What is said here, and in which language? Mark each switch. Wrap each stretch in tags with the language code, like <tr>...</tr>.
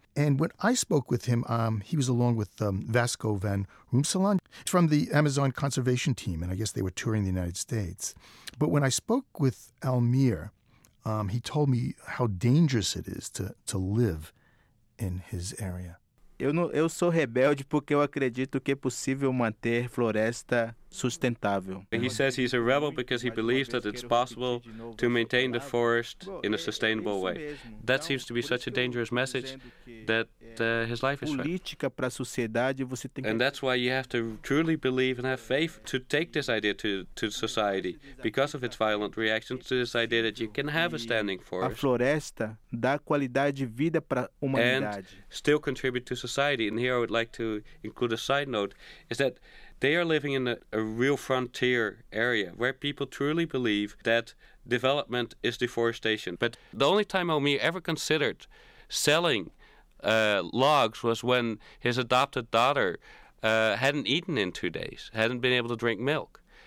<en>And when I spoke with him, he was along with Vasco Van Rumselan from the Amazon conservation team, and I guess they were touring the United States. But when I spoke with Almir, he told me how dangerous it is to live in his area.</en> <pt>Eu sou rebelde porque eu acredito que é possível manter floresta sustentável.</pt> <en>He says he's a rebel because he believes that it's possible to maintain the forest in a sustainable way. That seems to be such a dangerous message that his life is threatened. And that's why you have to truly believe and have faith to take this idea to society because of its violent reactions to this idea that you can have a standing forest.</en> <pt>A floresta dá qualidade de vida para a humanidade.</pt> <en>And still contribute to society. And here I would like to include a side note, is that they are living in a real frontier area where people truly believe that development is deforestation. But the only time Almir ever considered selling logs was when his adopted daughter hadn't eaten in 2 days, hadn't been able to drink milk.</en>